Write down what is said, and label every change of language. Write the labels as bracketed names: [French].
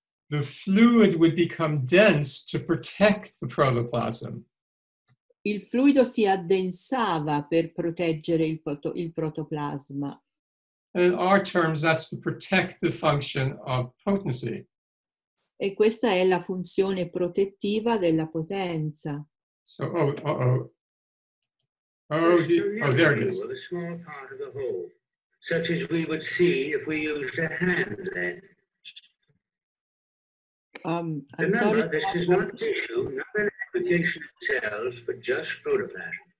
[English] the fluid would become dense to protect the protoplasm. [Italian] Il fluido si addensava per proteggere il protoplasma. [English] In our terms, that's the protective function of potency. [Italian] E questa è la funzione protettiva della potenza. [English] So, there it is. A small part of the whole, such as we would see if we used a hand lens. Remember, this is not tissue, not an application of cells, but just protoplasm.